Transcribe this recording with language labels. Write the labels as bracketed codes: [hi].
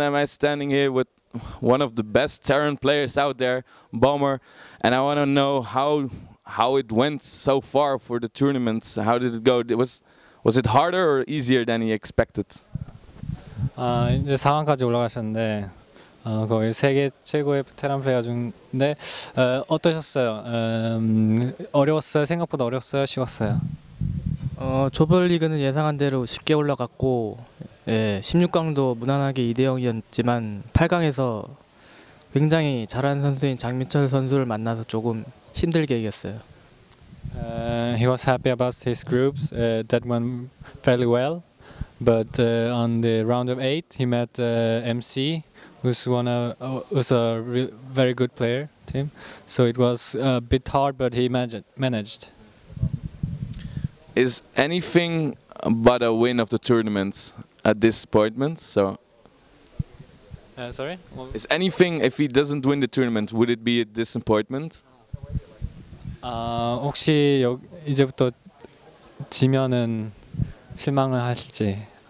[en] Am I standing here with one of the best Terran players out there, Bomber, and I want to know how it went so far for the tournaments. How did it go? Was it harder or easier than he expected? [ko] 이제 4강까지 올라가셨는데 거의 세계 최고의 테란 플레이어 중인데 어떠셨어요? 어려웠어요? 생각보다 어려웠어요? 쉬웠어요? 조별 리그는 예상한 대로 쉽게 올라갔고 예, 16강도 무난하게 2대 0이었지만 8강에서 굉장히 잘한 선수인 장민철 선수를 만나서 조금 힘들게 이겼어요. [en] He was happy about his groups that went fairly well. But on the round of 8, he met MC, who's a very good player team. So it was a bit hard, but he managed. Is anything but a win of the tournament a disappointment? So, sorry. Well, is anything if he doesn't win the tournament, would it be a disappointment? [ko] 혹시 이제부터 지면은 실망을 하실지.